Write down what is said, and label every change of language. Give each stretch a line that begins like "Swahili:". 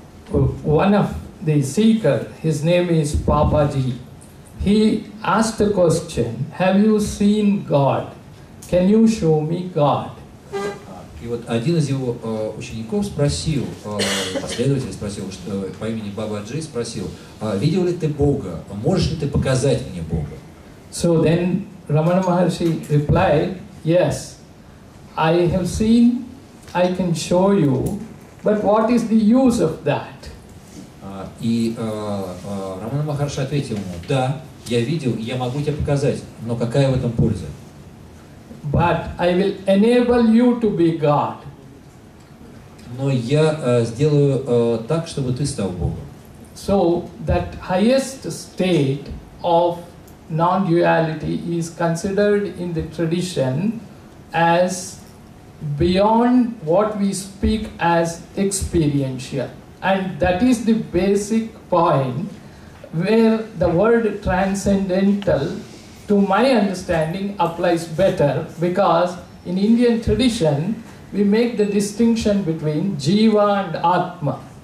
English: One of the seeker, his name is Papaji. He asked a question: Have you seen God? Can you show me God?
Russian: И вот один из его учеников спросил, последователь спросил, что по имени Бабаджи спросил: видел ли ты Бога? Можешь ли ты показать мне Бога?
English: So then Ramana Maharshi replied, yes. I have seen, I can show you, but what is the use of that?
Russian: И Рамана Махарши ответил ему, да, я видел, я могу тебе показать, но какая в этом польза?
English: But I will enable you to be God.
Russian: Но я сделаю так, чтобы ты стал Богом.
English: So that highest state of non-duality is considered in the tradition as beyond what we speak as experiential. And that is the basic point where the word transcendental, to my understanding, applies better, because in Indian tradition, we make the distinction between jiva and atma.